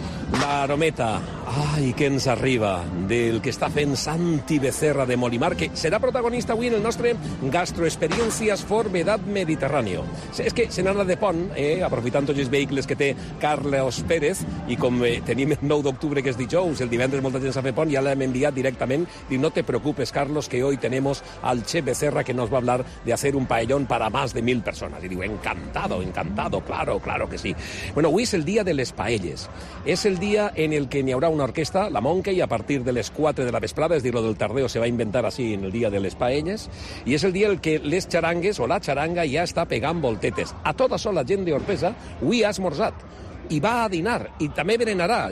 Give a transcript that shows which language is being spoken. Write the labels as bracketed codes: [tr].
[ca] L'arometa, ai, què ens arriba del que està fent Santi Becerra de Molimar, que serà protagonista avui en el nostre Gastroexperiències Forn Edat Mediterrània. És que se n'anarà de pont, aprofitant tots els vehicles que té Carlos Pérez, i com tenim el 9 d'octubre, que és dijous, el divendres molta gent s'ha fet pont, ja l'hem enviat directament. [es] Diu, no te preocupes, Carlos, que hoy tenemos al chef Becerra, que nos va hablar de hacer un paellón para más de 1000 personas. [ca] I diu, [es] encantado, encantado, claro, claro que sí. [ca] Bueno, avui és el dia de les paelles. És el dia en el que n'hi haurà una orquestra, la Monkey, a partir de les 4 de la vesprada, és a dir, lo del tardeo se va inventar així en el dia de les paelles, i és el dia en què les xarangues o la xaranga ja està pegant voltetes. A tota sola gent d'Orpesa, avui ha esmorzat, i va a dinar, i també berenarà.